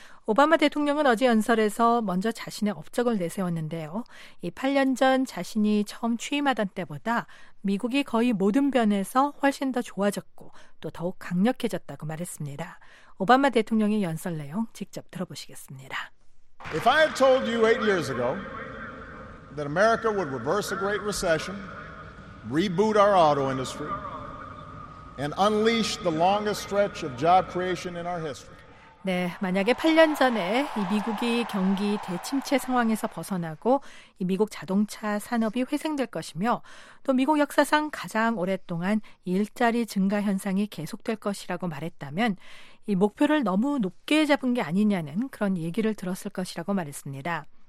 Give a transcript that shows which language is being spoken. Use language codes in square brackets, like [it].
[ko] 오바마 대통령은 어제 연설에서 먼저 자신의 업적을 내세웠는데요. 이 8년 전 자신이 처음 취임하던 때보다 미국이 거의 모든 면에서 훨씬 더 좋아졌고 또 더욱 강력해졌다고 말했습니다. 오바마 대통령의 연설 내용 직접 들어보시겠습니다. [en] If I had told you 8 years ago that America would reverse a great recession, reboot our auto industry, and unleash the longest stretch of job creation in our history. [ko] 네, 만약에 8년 전에 이 미국이 경기 대침체 상황에서 벗어나고 이 미국 자동차 산업이 회생될 것이며 또 미국 역사상 가장 오랫동안 일자리 증가 현상이 계속될 것이라고 말했다면 이 목표를 너무 높게 잡은 게 아니냐는 그런 얘기를 들었을 것이라고 말했습니다.